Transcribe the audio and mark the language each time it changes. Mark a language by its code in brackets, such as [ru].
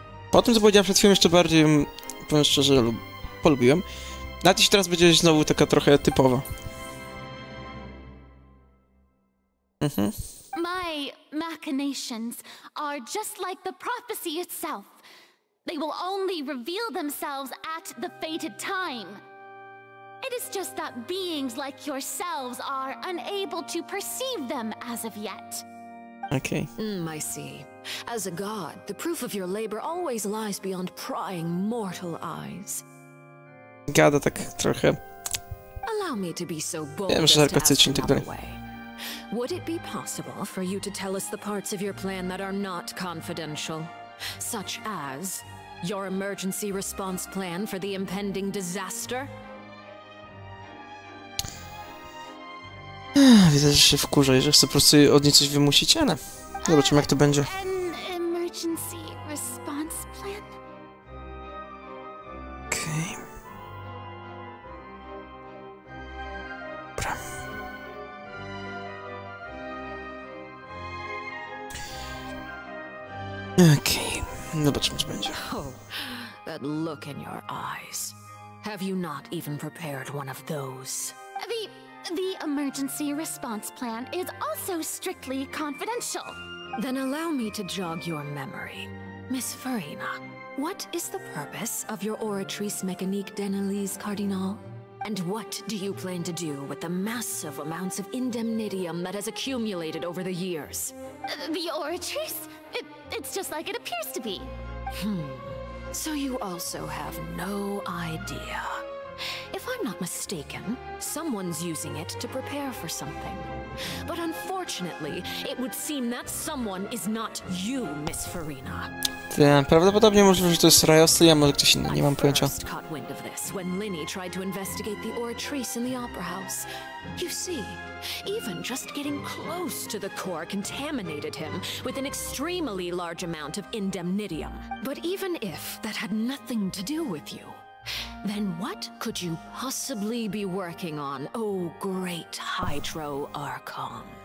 [pl] Po tym, co powiedziałem przed chwilą, jeszcze bardziej, powiem szczerze, polubiłem. Nawet jeśli teraz będzie znowu taka trochę typowa. Mm-hmm. [en] My machinations are just like the prophecy itself. They will only reveal themselves at the fated time. It is just that beings like yourselves are unable to perceive them as of yet. Okay. I see. As a god, the proof of your labor always lies beyond prying mortal eyes. [pl] Gada tak trochę. [en] Allow me to be so bold. [pl] Wiem, że arkocyczny tak dalej. [en] Would it be possible for you to tell us the parts of your plan that are not confidential? Such as your emergency response plan for the impending disaster? [pl] Widzę, że się wkurza i że chce po prostu od niej coś wymusić, ale zobaczymy, jak to będzie. [en] An emergency response plan? Okej. Okay. [pl] Okay, zobaczmy, co będzie. [en] Oh, that look in your eyes. Have you not even prepared one of those? The emergency response plan is also strictly confidential. Then allow me to jog your memory. Miss Farina, what is the purpose of your oratrice mécanique d'analyse, Cardinal? And what do you plan to do with the massive amounts of indemnidium that has accumulated over the years? The oratrice? It's just like it appears to be. Hmm. So you also have no idea. If I'm not mistaken, someone's using it to prepare for something. But unfortunately, it would seem that someone is not you, Miss Farina. [pl] Tak, prawdopodobnie może, że to jest Rajosli, a może ktoś inny, nie mam pojęcia. [en] I first caught wind of this when Linny tried to investigate the oratrice in the opera house. You see, even just getting close to the core contaminated him with an extremely large amount of indemnidium. But even if that had nothing to do with you, then what could you possibly be working on, oh great Hydro Archon?